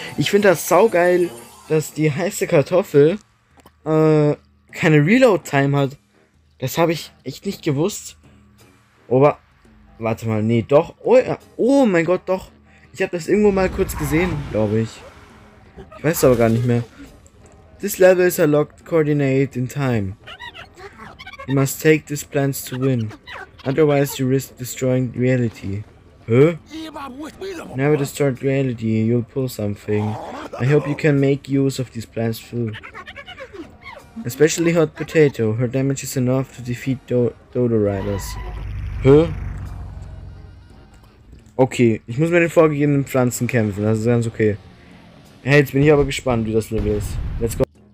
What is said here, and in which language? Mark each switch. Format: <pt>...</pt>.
<de>Ich finde das saugeil, dass die heiße Kartoffel keine Reload-Time hat. Das habe ich echt nicht gewusst. Aber, warte mal, nee, doch. Oh, ja. Oh mein Gott, doch. Ich habe das irgendwo mal kurz gesehen, glaube ich. Ich weiß aber gar nicht mehr.</de> <en>This level is a locked coordinate in time. You must take these plans to win. Otherwise you risk destroying reality. Huh? Never destroy reality, you'll pull something. I hope you can make use of these plans too. Especially Hot Potato, her damage is enough to defeat Dodo Riders. Huh?</en> <de>Okay, ich muss mit den vorgegebenen Pflanzen kämpfen, das ist ganz okay. Hey, jetzt bin ich aber gespannt, wie das Level ist.</de> <en>Let's go.</en>